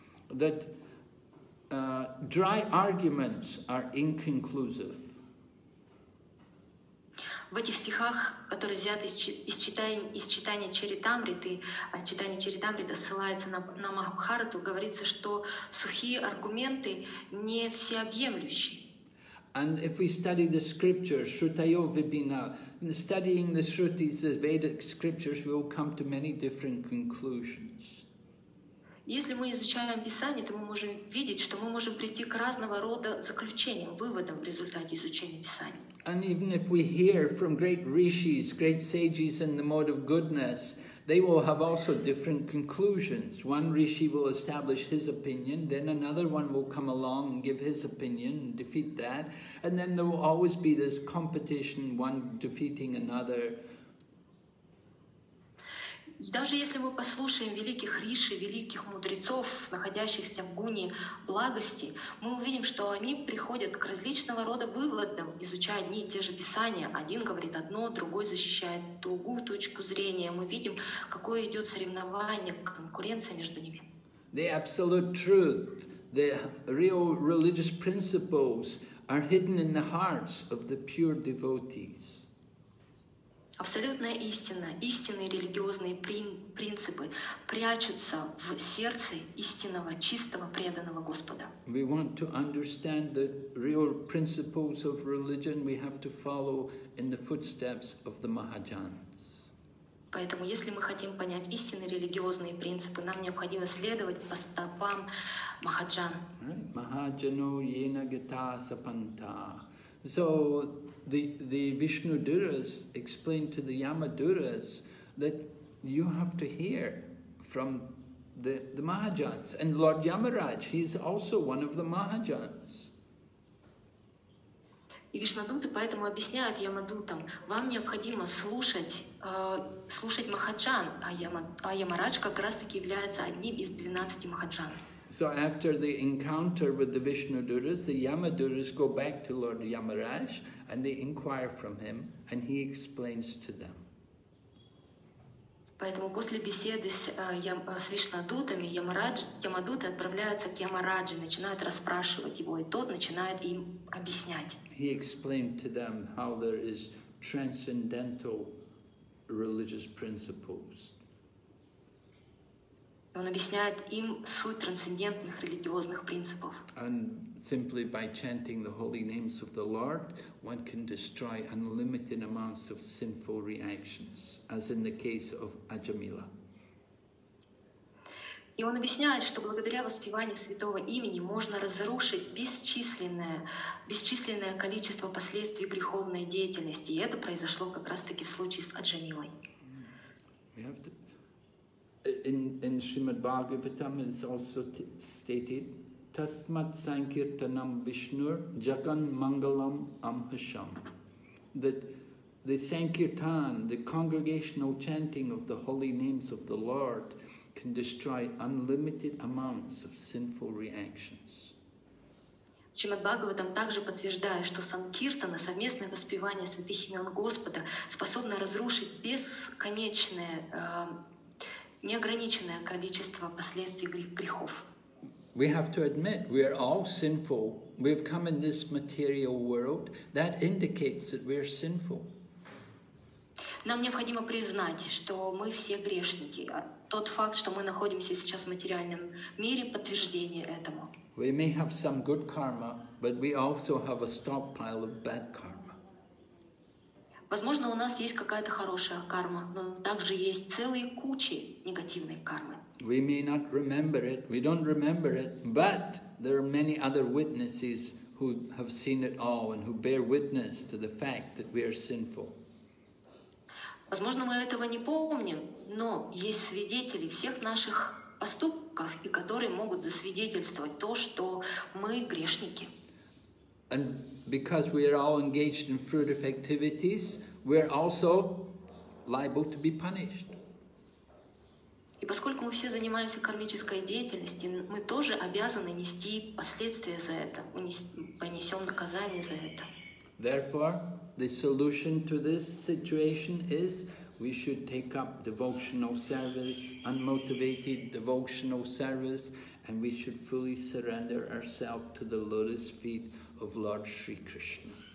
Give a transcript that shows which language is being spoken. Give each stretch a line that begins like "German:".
English: That dry arguments are inconclusive.
Russian: В этих стихах, которые взяты из читания Чаритамриты, читание Чаритамрита ссылается на Махабхарату, говорится, что сухие аргументы не всеобъемлющие.
English: And if we study the scriptures,
Sanskrit: Shrutayo Vibina,
English: studying the Shrutis, the Vedic scriptures, we will come to many different conclusions.
Russian: Если мы изучаем Писание, то мы можем видеть, что мы можем прийти к разного рода заключениям, выводам в результате изучения Писания.
English: And even if we hear from great rishis, great sages in the mode of goodness, they will have also different conclusions. One rishi will establish his opinion, then another one will come along and give his opinion and defeat that. And then there will always be this competition, one defeating another.
Russian: И даже если мы послушаем великих риши, великих мудрецов, находящихся в гуне благости, мы увидим, что они приходят к различного рода выводам, изучая одни и те же писания. Один говорит одно, другой защищает другую точку зрения. Мы видим, какое идет соревнование, конкуренция между ними.
English: The absolute truth, the real religious principles are hidden in the hearts of the pure devotees.
Russian: Абсолютная истина, истинные религиозные принципы прячутся в сердце истинного, чистого, преданного Господа.
English: We want to understand the real principles of religion, we have to follow in the footsteps of the Mahajans.
Russian: Поэтому, если мы хотим понять истинные религиозные принципы, нам необходимо следовать по стопам Mahajan.
Sanskrit: Mahajano yena gita sapanta.
English: So the Vishnuduras explain to the Yamaduras that you have to hear from the Mahajans. And Lord Yamaraj, he's also one of the Mahajans.
Russian: И Вишнадуты поэтому объясняют Ямадутам, вам необходимо слушать Махаджан, а Ямарадж как раз таки является одним из 12 Махаджан.
English: So after the encounter with the Vishnuduras, the Yamaduras go back to Lord Yamaraj and they inquire from him and he explains to them.
Russian: Поэтому после беседы с Вишнадутами Ямадуты отправляются к Ямараджи, начинают расспрашивать его, и тот начинает им объяснять.
English: He explained to them how there is transcendental religious principles.
Russian: Он объясняет им суть трансцендентных религиозных принципов.
English: And simply by chanting the holy names of the Lord, one can destroy unlimited amounts of sinful reactions, as in the case of Ajamila.
Russian: И он объясняет, что благодаря воспеванию святого имени можно разрушить бесчисленное количество последствий греховной деятельности. И это произошло как раз-таки в случае с Аджамилой.
English: In Srimad Bhagavatam it's also stated,
Sanskrit: Tasmat Sankirtanam Vishnur Jagan Mangalam Amhasham,
English: that the Sankirtan, the congregational chanting of the holy names of the Lord, can destroy unlimited amounts of sinful reactions.
Russian: Шримад Бхагаватам также подтверждает, что санкиртана, совместное воспевание святых имен Господа, способно разрушить бесконечное, неограниченное количество последствий грехов.
English: We have to admit we are all sinful. We've come in this material world. That indicates that we are sinful.
Russian: Нам необходимо признать, что мы все грешники. Тот факт, что мы находимся сейчас в материальном мире, подтверждение этому.
English: We may have some good karma, but we also have a stockpile of bad karma.
Russian: Возможно, у нас есть какая-то хорошая карма, но также есть целые кучи негативной кармы.
English: We may not remember it, we don't remember it, but there are many other witnesses who have seen it all and who bear witness to the fact that we are sinful.
Russian: Возможно, мы этого не помним, но есть свидетели всех наших поступков, и которые могут засвидетельствовать то, что мы грешники.
English: And because we are all engaged in fruitive activities, we are also liable to be punished.
Russian: И поскольку мы все занимаемся кармической деятельностью, мы тоже обязаны нести последствия за это, понесем наказание за это.
English: Therefore, the solution to this situation is we should take up devotional service, unmotivated devotional service, and we should fully surrender ourselves to the lotus feet of Lord Sri Krishna.